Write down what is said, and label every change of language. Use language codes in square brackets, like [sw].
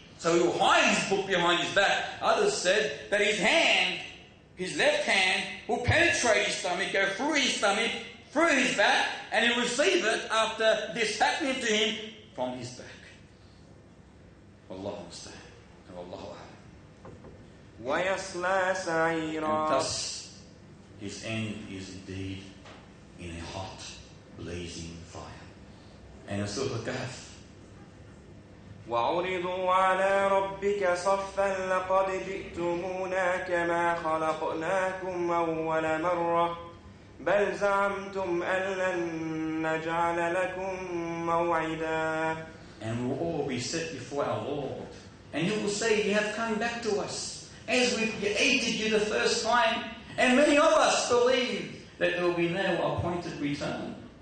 [en] So he will hide his book behind his back. Others said that his hand, his left hand, will penetrate his stomach, go through his stomach, through his back, and he'll receive it after this happening to him from his back. Allah Musta'an. And Allah Akbar. And thus, his end is indeed in a hot, blazing fire. And a Surah Al-Kahf. [ar] وعرضوا على ربك صفا لقد جئتمونا كما خلقناكم أول مرة بل زعمتم أن لن نجعل لكم موعدا. [en] And we will all be set before our Lord, and he will say, you have come back to us as we created you the first time. And many of us believe that there will be no appointed return.